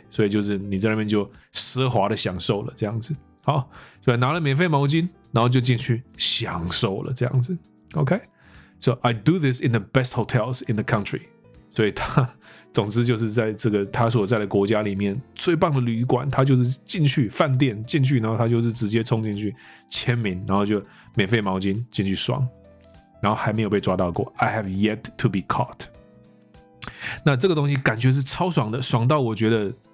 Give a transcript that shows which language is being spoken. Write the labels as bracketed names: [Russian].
[Chinese] 所以就是你在那边就奢华的享受了这样子。好，所以拿了免费毛巾，然后就进去享受了这样子。 OK? [English] So I do this in the best hotels in the country. [Chinese] 所以他总之就是在这个他所在的国家里面最棒的旅馆，他就是进去饭店进去，然后他就是直接冲进去签名，然后就免费毛巾进去爽，然后还没有被抓到过。 [English] I have yet to be caught. [Chinese] 那这个东西感觉是超爽的，爽到我觉得